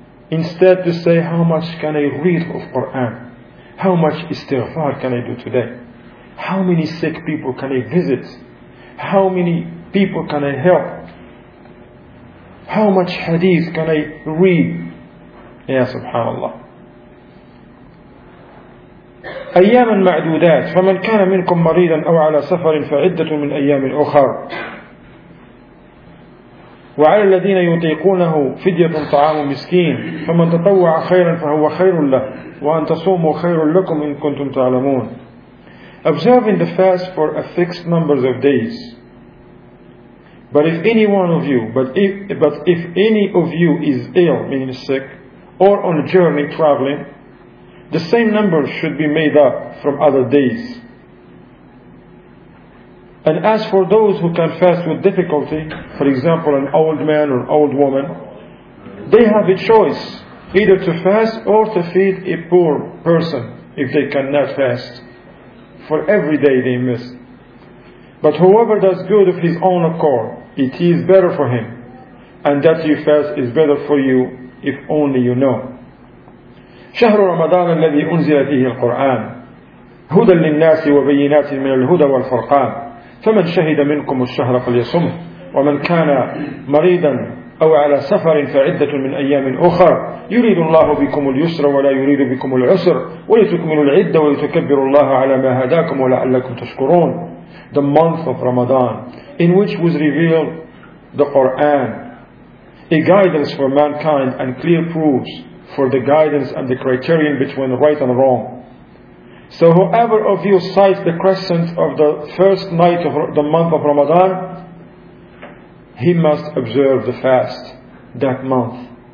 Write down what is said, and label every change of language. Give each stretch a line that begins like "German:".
English: Instead to say, how much can I read of Quran? How much istighfar can I do today? How many sick people can I visit? How many people can I help? How much hadith can I read? Ya subhanallah.
Arabic: أياما معدودات فمن كان منكم مريضا أو على سفر فعدة من أيام أخر وعلى الذين يطيقونه فدية طعام مسكين فمن تطوع خيرا فهو خير له وأن تصوموا خير لكم إن كنتم تعلمون.
English: Observing the fast for a fixed number of days. But if any one of you, but if any of you is ill, meaning sick, or on a journey traveling, the same number should be made up from other days. And as for those who can fast with difficulty, for example an old man or an old woman, they have a choice either to fast or to feed a poor person if they cannot fast for every day they miss. But whoever does good of his own accord, it is better for him, and that you fast is better for you if only you know.
Arabic: شهر رمضان الذي أنزل فيه القرآن هدى للناس وبينات من الهدى والفرقان فمن شهد منكم الشهر فليصم ومن كان مريضا أو على سفر فعدة من أيام أخر يريد الله بكم اليسر ولا يريد بكم العسر ولتكملوا العدة ولتكبروا الله على ما هداكم ولعلكم تشكرون.
English: The month of Ramadan, in which was revealed the Quran, a guidance for mankind and clear proofs for the guidance and the criterion between right and wrong. So whoever of you cites the crescent of the first night of the month of Ramadan, he must observe the fast that month.